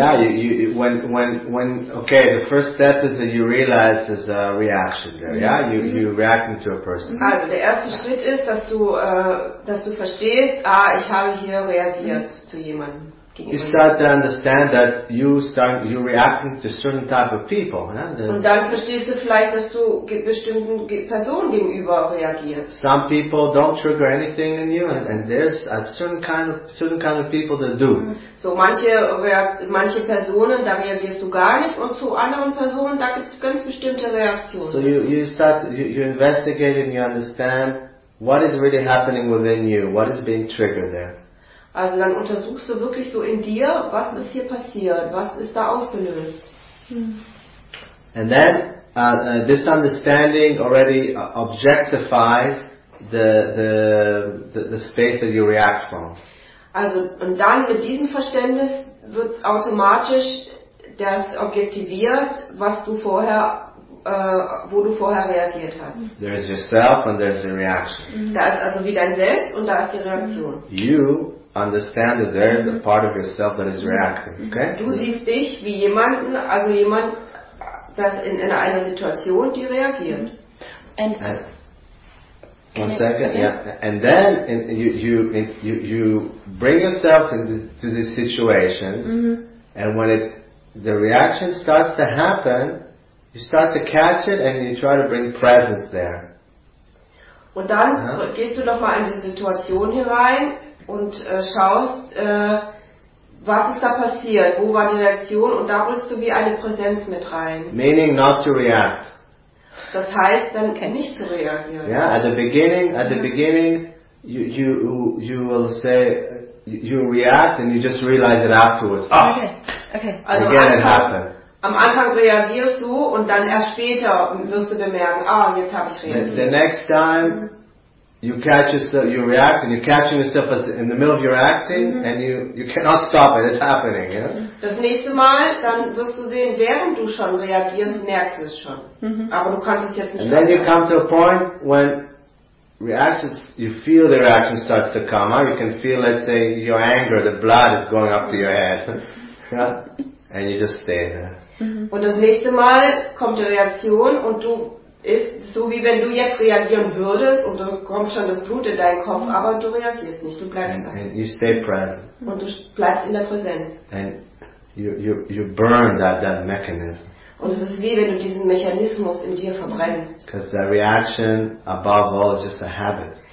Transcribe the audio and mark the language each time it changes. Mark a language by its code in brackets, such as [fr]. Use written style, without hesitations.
[en] Yeah, when okay, the first step is that you realize there's a reaction there. Yeah, you reacting to a person. Mm-hmm. [de] Also der erste Schritt ist, dass du verstehst, ich habe hier reagiert zu jemandem. [en] You start to understand that you're reacting to certain type of people. Yeah? [de] Und dann verstehst du vielleicht, dass du bestimmten Personen gegenüber reagierst. [en] Some people don't trigger anything in you, and there's a certain kind of people that do. [de] So manche Personen, da reagierst du gar nicht, und zu anderen Personen, da gibt es ganz bestimmte Reaktionen. [en] So you investigate and you understand what is really happening within you, what is being triggered there. [de] Also dann untersuchst du wirklich so in dir, was ist hier passiert, was ist da ausgelöst. [en] And then this understanding already objectifies the space that you react from. [de] Also und dann mit diesem Verständnis wird automatisch das objektiviert, was du vorher wo du vorher reagiert hast. [en] There is yourself and there is the reaction. [de] Da ist also wie dein Selbst und da ist die Reaktion. [en] You understand that there is a part of yourself that is reacting. Okay? [de] Du siehst dich wie jemanden, also jemand, das in einer Situation, die reagiert. [en] And then you bring yourself into these situations, and when the reaction starts to happen, you start to catch it and you try to bring presence there. [de] Und dann gehst du nochmal in die Situation herein. Und schaust, was ist da passiert, wo war die Reaktion, und da holst du wie eine Präsenz mit rein. [en] Meaning not to react. [de] Das heißt, dann nicht zu reagieren. [en] Yeah, at the beginning you will say you react and you just realize it afterwards. Oh, okay. Also again it happened. [de] Am Anfang reagierst du und dann erst später wirst du bemerken, jetzt habe ich reagiert. [en] The next time. You catch yourself, you react, and you're catching yourself in the middle of your acting, and you cannot stop it. It's happening. You know? [de] Das nächste Mal, dann wirst du sehen, während du schon reagierst, merkst du es schon. Mm-hmm. Aber du kannst es jetzt nicht. [en] And then you come to a point when reactions, you feel the reaction starts to come. Huh? You can feel, let's say, your anger, the blood is going up to your head, yeah? And you just stay there. [de] Mm-hmm. Und das nächste Mal kommt die Reaktion und du ist so, wie wenn du jetzt reagieren würdest und da kommt schon das Blut in deinen Kopf, aber du reagierst nicht, du bleibst da. [en] And you stay present. [de] Und du bleibst in der Präsenz. [en] And you burn that mechanism. [de] Und es ist wie, wenn du diesen Mechanismus in dir verbrennst. [en] Because the reaction above all is just a habit.